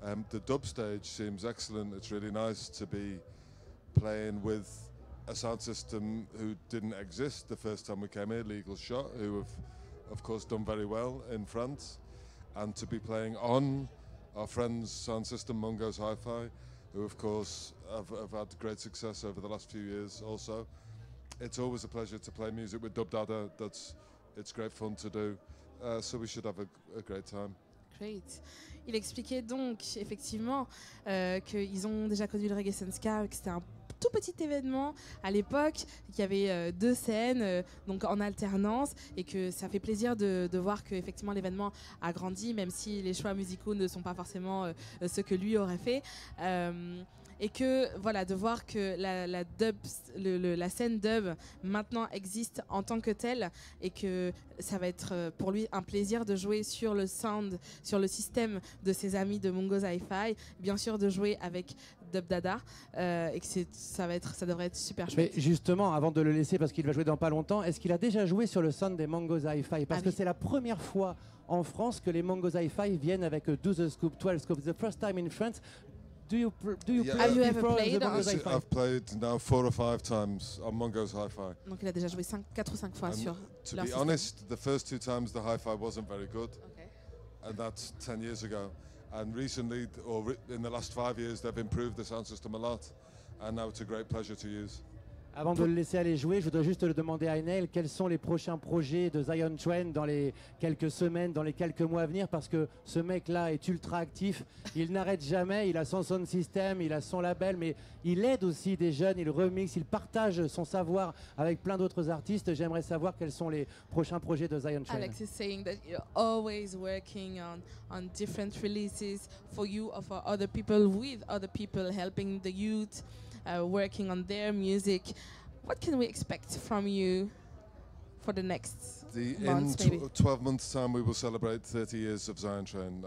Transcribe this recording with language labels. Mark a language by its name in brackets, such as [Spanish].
[English] The dub stage seems excellent. It's really nice to be playing with a sound system who didn't exist the first time we came here, Legal Shot, who have, of course, done very well in France, and to be playing on our friend's sound system, Mungo's Hi-Fi, who, of course, have had great success over the last few years also. It's always a pleasure to play music with DUBDADDA. It's great fun to do. So we should have a great time. Great. [French] Il expliquait donc effectivement qu'ils ont déjà connu le Reggae Sun Ska, que c'était un tout petit événement à l'époque, qu'il y avait deux scènes donc en alternance, et que ça fait plaisir de voir que effectivement l'événement a grandi, même si les choix musicaux ne sont pas forcément ceux que lui aurait fait. Et que voilà, de voir que la scène dub maintenant existe en tant que telle, et que ça va être pour lui un plaisir de jouer sur le sound, sur le système de ses amis de Mungo's Hi-Fi, bien sûr de jouer avec DUBDADDA, et que ça devrait être super chouette. Mais justement, avant de le laisser, parce qu'il va jouer dans pas longtemps, est-ce qu'il a déjà joué sur le sound des Mungo's Hi-Fi? Parce que c'est la première fois en France que les Mungo's Hi-Fi viennent avec 12 scoops, 12 scoops, [English] the first time in France. I've played now four or five times on Mungo's Hi-Fi. [French] Donc il a déjà joué 4 ou 5 fois sur. [English] To be honest, the first two times the Hi-Fi wasn't very good, and that's 10 years ago. And recently, in the last 5 years, they've improved the sound system a lot, and now it's a great pleasure to use. [French] Avant de le laisser aller jouer, je voudrais juste le demander à Enel, quels sont les prochains projets de Zion Train dans les quelques semaines, dans les quelques mois à venir, parce que ce mec-là est ultra actif, il n'arrête jamais, il a son sound system, il a son label, mais il aide aussi des jeunes, il remixe, il partage son savoir avec plein d'autres artistes. J'aimerais savoir quels sont les prochains projets de Zion Train. [English] Alex is saying that you're always working on different releases for you or for other people, with other people, helping the youth. Working on their music, what can we expect from you for the next months? 12 months time, we will celebrate 30 years of Zion Train.